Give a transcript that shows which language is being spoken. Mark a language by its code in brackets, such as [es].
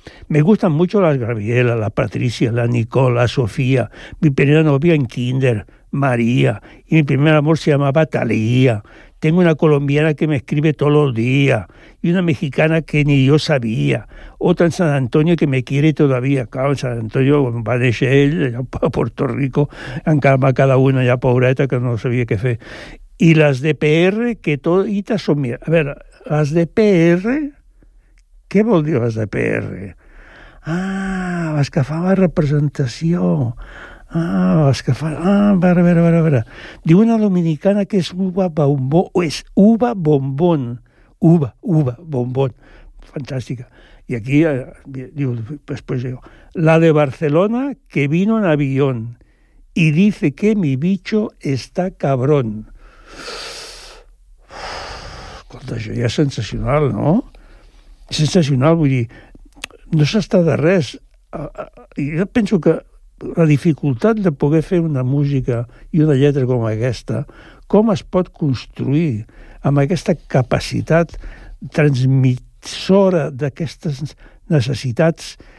[es] Me gustan mucho las Gabriela, la Patricia, la Nicole, la Sofía, mi primera novia en kinder, María, y mi primer amor se llamaba Talía. Tengo una colombiana que me escribe todos los días y una mexicana que ni yo sabía. Otra en San Antonio que me quiere todavía. [ca] Claro, en San Antonio va néixer ell, allà a Puerto Rico, encara va cada una allà pobreta que no sabia què fer. I les de PR que totes són mías. A veure, les de PR... Què vol dir les de PR? Ah, les que fa la representació. Ah, a veure. Diu una dominicana que és [es] uva bombón, [ca] o és uva bombón. [es] Uva, bombón. [ca] Fantàstica. I aquí, diu, després jo. [es] La de Barcelona que vino en avión y dice que mi bicho está cabrón. [ca] Escolta, això ja és sensacional, no? Sensacional, vull dir, no s'està de res. Jo penso que la dificultat de poder fer una música i una lletra com aquesta, com es pot construir amb aquesta capacitat transmissora d'aquestes necessitats?